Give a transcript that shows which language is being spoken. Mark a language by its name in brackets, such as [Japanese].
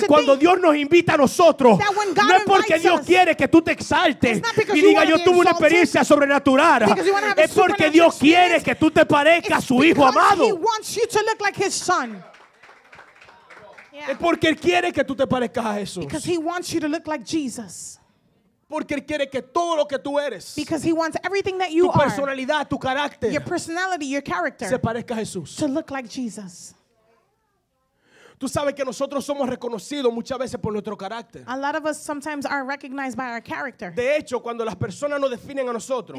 [Spanish] que cuando Dios nos invita a nosotros, no es porque Dios [English] us, [Spanish] quiere que tú te exaltes y diga yo tuve una experiencia sobrenatural, es porque Dios quiere que tú te parezcas a su hijo amado. Es porque Él quiere que tú te parezcas a Jesús. [English] Because He wants you to look like Jesus. [Spanish] Porque Él quiere que todo lo que tú eres, [English] because He wants everything that you [Spanish] tu personalidad, [English] are, [Spanish] tu carácter, [English] your personality, your character, [Spanish] se parezca a Jesús. [English] To look like Jesus. [Spanish] Tú sabes que nosotros somos reconocidos muchas veces por nuestro carácter. [English] A lot of us sometimes are recognized by our character. [Spanish] De hecho, cuando las personas nos definen a nosotros,